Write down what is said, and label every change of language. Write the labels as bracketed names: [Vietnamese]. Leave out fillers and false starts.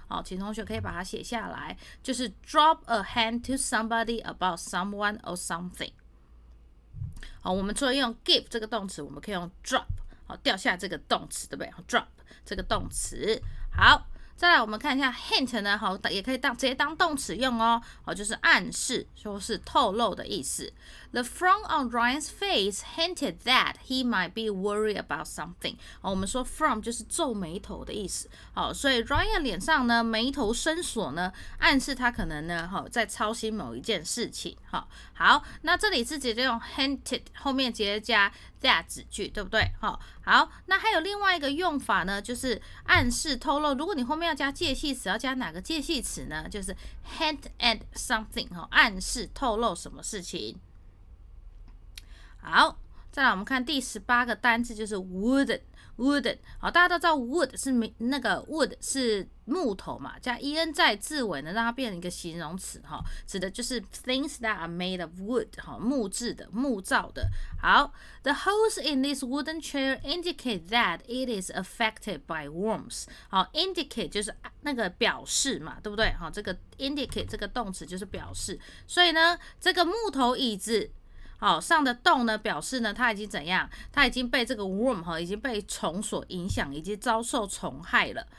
[Chinese] 好，请同学可以把它写下来，就是 [English] drop a hand to somebody about someone or something。 [Chinese] 好，我们除了用 give 这个动词，我们可以用 drop， 好，掉下这个动词，对不对？ drop 这个动词。好，再来我们看一下 hint 呢，好，也可以当直接当动词用哦，好，就是暗示或是透露的意思。 [English] The frown on Ryan's face hinted that he might be worried about something。 [Chinese] 好，我们说 frown 就是皱眉头的意思，好，所以 Ryan 脸上呢眉头深锁呢，暗示他可能呢，好，在操心某一件事情。好，那这里是直接用 hinted 后面直接加that 子句，对不对？好，那还有另外一个用法呢，就是暗示透露，如果你后面要加介系词，要加哪个介系词呢？就是 [English] hint at something， [Chinese] 暗示透露什么事情。好，再来我们看第十八个单字，就是 wooden， 好，大家都知道 wood 是那个 wood 是木头嘛，加 en 在字尾呢，让它变成一个形容词，指的就是 [English] things that are made of wood， [Chinese] 木制的、木造的。 [English] 好， the holes in this wooden chair indicate that it is affected by worms。 [Chinese] 好， indicate 就是那个表示嘛，对不对？这个 indicate 这个动词就是表示，所以呢这个木头椅子好上的洞呢，表示呢它已经怎样，它已经被这个 worm 已经被虫所影响，已经遭受虫害了。